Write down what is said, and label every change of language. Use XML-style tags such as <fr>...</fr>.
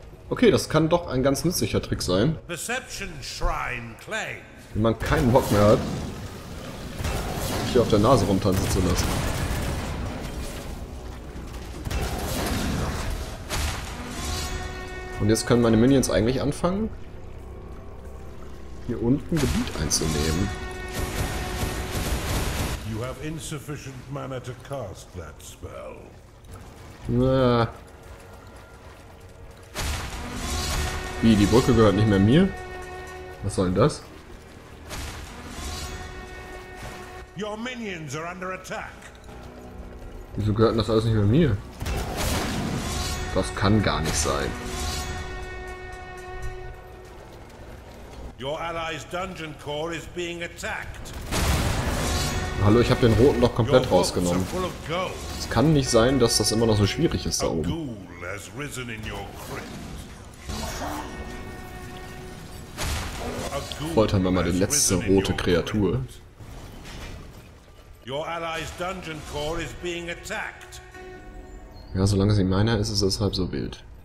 <de>Okay, das kann doch ein ganz nützlicher Trick sein. Wenn man keinen Bock mehr hat, sich hier auf der Nase rumtanzen zu lassen. Und jetzt können meine Minions eigentlich anfangen, hier unten Gebiet einzunehmen.</de> <en>You have insufficient mana to cast that spell.</en> <de>Wie, die Brücke gehört nicht mehr mir? Was soll denn das?</de> <en>Your minions are under attack.</en> <de>Wieso gehört das alles nicht mehr mir? Das kann gar nicht sein.</de> <en>Your allies' dungeon core is being attacked.</en> <de>Hallo, ich habe den Roten doch komplett rausgenommen. Es kann nicht sein, dass das immer noch so schwierig ist da oben.</de> <en>A ghoul has risen in your crypt.</en> <de>Foltern wir mal die letzte rote Kreatur.</de> <en>Your allies' dungeon core is being attacked.</en> <de>Ja, solange sie meiner ist, ist es halb so wild.</de>